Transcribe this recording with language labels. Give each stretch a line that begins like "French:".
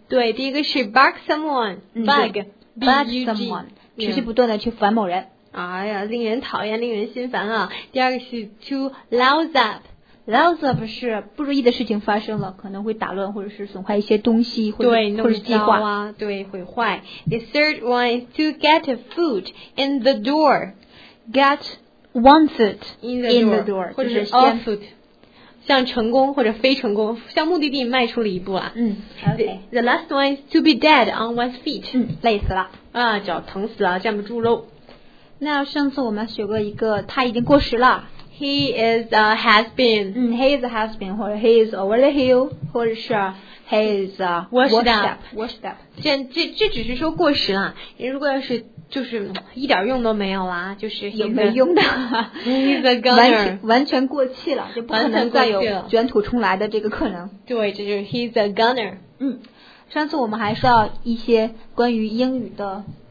Chinese: 对，第一个是
English: bug someone. Bug. Bug someone.
Chinese: 持续不断的去烦某人。哎呀，令人讨厌，令人心烦啊。第二个是
English: to louse up. Louse up
Chinese: 是不如意的事情发生了，可能会打乱或者是损坏一些东西，或者计划。对，会坏。
English: The third one is to get a foot in the door. Get one foot in the door.
Chinese: 或者是
English: a foot.
Chinese: 像成功或者非成功，向目的地迈出了一步啊。嗯 ,OK.
English: The last one is to be dead on one's feet.
Chinese: 嗯，累死了。啊，脚疼死了，站不住喽。那上次我们学过一个，他已经过时了。
English: He is a has-been. He is a has-been, or he is over the hill, or he is a washed up.
Chinese: 这只是说过时了，如果要是就是一点用都没有啦，就是有没用的。
English: He is a goner.
Chinese: 完全过气了，就不可能再有卷土重来的这个可能。对，这就是
English: he's a goner.
Chinese: 嗯，上次我们还说到一些关于英语的